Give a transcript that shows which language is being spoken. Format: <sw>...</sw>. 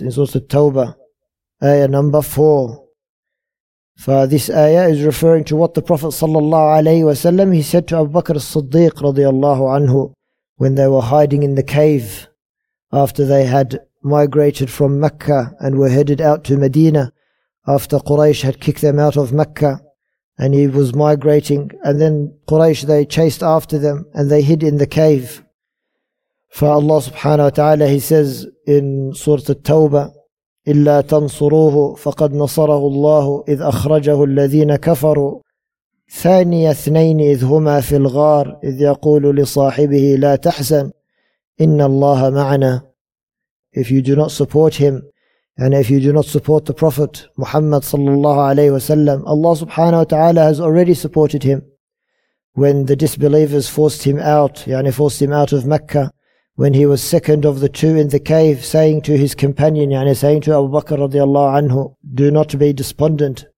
<en>In Surah At-Tawbah, ayah number 4. For this ayah is referring to what the Prophet sallallahu alayhi wa sallam, he said to Abu Bakr as-Siddiq radiyallahu anhu, when they were hiding in the cave after they had migrated from Mecca and were headed out to Medina after Quraysh had kicked them out of Mecca, and he was migrating, and then Quraysh, they chased after them and they hid in the cave. For Allah subhanahu wa ta'ala, he says in Surah At-Tawbah,</en> <ar>إلا تنصروه فقد نصره الله إذ أخرجه الذين كفروا ثاني اثنين إذ هما في الغار إذ يقول لصاحبه لا تحزن إن الله معنا.</ar> <en>If you do not support him, and if you do not support the Prophet Muhammad sallallahu alayhi wa sallam, Allah subhanahu wa ta'ala has already supported him when the disbelievers forced him out, يعني forced him out of Mecca, when he was second of the two in the cave, saying to his companion, يعني saying to Abu Bakr radiallahu anhu, do not be despondent.</en>